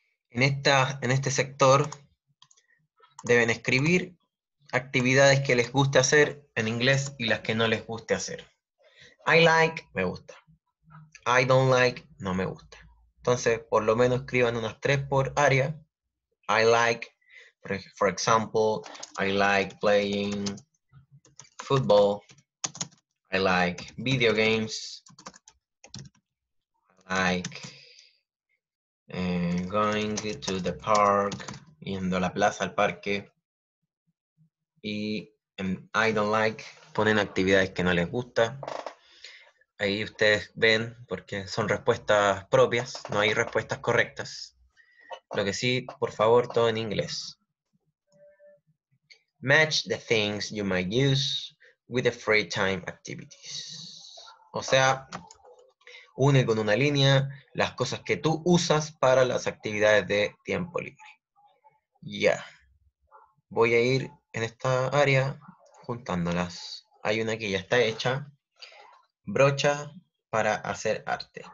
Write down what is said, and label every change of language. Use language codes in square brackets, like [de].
[es] En este sector deben escribir actividades que les guste hacer en inglés y las que no les guste hacer. [en] I like, [es] me gusta. [en] I don't like, [es] no me gusta. Entonces, por lo menos escriban unas tres por área. [en] I like, for example, I like playing football. I like video games. Like going to the park, [es] yendo a la plaza, al parque. Y [en] I don't like, [es] ponen actividades que no les gusta. Ahí ustedes ven, porque son respuestas propias, no hay respuestas correctas. Lo que sí, por favor, todo en inglés. [en] Match the things you might use with the free time activities. [es] O sea, une con una línea las cosas que tú usas para las actividades de tiempo libre. Ya. Voy a ir en esta área juntándolas. Hay una que ya está hecha. Brocha para hacer arte.